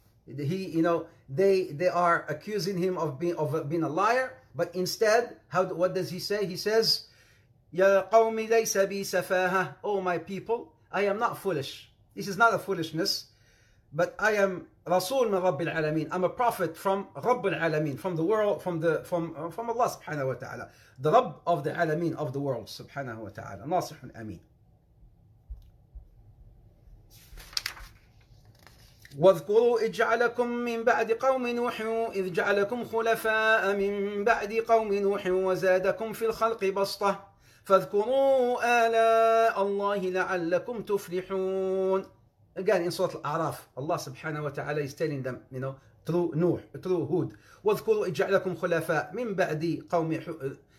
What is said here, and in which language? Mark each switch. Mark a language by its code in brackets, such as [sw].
[en] They are accusing him of being a liar. But instead, what does he say? He says, [ar] يَا قَوْمِ لَيْسَ بِي سَفَاهَةٌ. [en] Oh my people, I am not foolish. This is not a foolishness. But I am [ar] Rasul min Rabbil Alameen. [en] I'm a prophet from Rabbil Alameen, from the world, from Allah subhanahu wa ta'ala. The Rabb of the Alameen of the world, subhanahu wa ta'ala. [ar] Nasihun Ameen. واذكروا إذ جعلكم من بعد قوم نوح إذ جعلكم خلفاء من بعد قوم نوح وزادكم في الخلق بسطة فاذكروا آلاء الله لعلكم تفلحون. [en] Again in Surah Al-A'raf, Allah subhanahu wa ta'ala is telling them, through Nuh, through Hud, [ar] واذكروا إذ جعلكم خلفاء من بعد قوم نوح.